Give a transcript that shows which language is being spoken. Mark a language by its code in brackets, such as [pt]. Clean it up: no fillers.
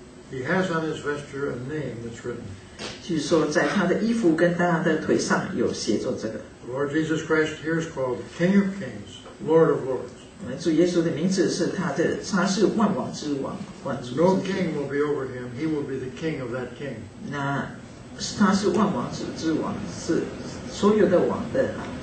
[en] He has on his vesture a name that's written. [zh] 据说在他的衣服跟他的腿上有写着这个。 [en] The Lord Jesus Christ here is called King of Kings, Lord of Lords. [zh] 主耶稣的名字是他的，他是万王之王，万主之王。 [en] No king will be over him. He will be the king of that king. [zh] 那他是万王之王，是所有的王的。